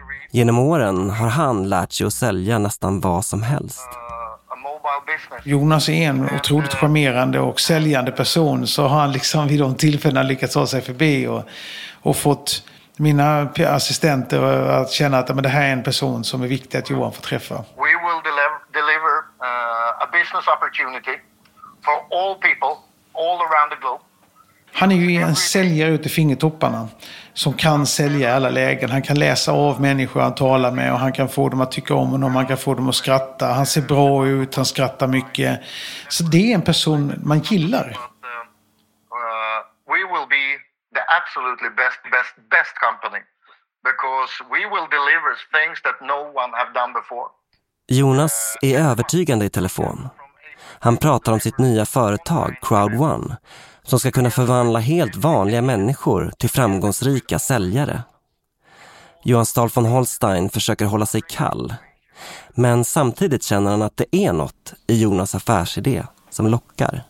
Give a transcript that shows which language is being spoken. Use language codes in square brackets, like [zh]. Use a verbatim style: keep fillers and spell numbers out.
[sv] Genom åren har han lärt sig att sälja nästan vad som helst. Jonas är en otroligt charmerande och säljande person, så har han liksom vid de tillfällena lyckats ta sig förbi och, och fått mina assistenter att känna att men det här är en person som är viktig att Johan får träffa. [en] We will deliver uh, a business opportunity for all people all around the globe. [sv] Han är ju en säljare ute i fingertopparna som kan sälja i alla lägen. Han kan läsa av människor han talar med och han kan få dem att tycka om honom, han kan få dem att skratta. Han ser bra ut, han skrattar mycket. Så det är en person man gillar. [en] We will be the absolutely best, best, best company because we will deliver things that no one have done before. [sv] Jonas är övertygande i telefon. Han pratar om sitt nya företag Crowd One, som ska kunna förvandla helt vanliga människor till framgångsrika säljare. Johan Stahl von Holstein försöker hålla sig kall, men samtidigt känner han att det är något i Jonas affärsidé som lockar.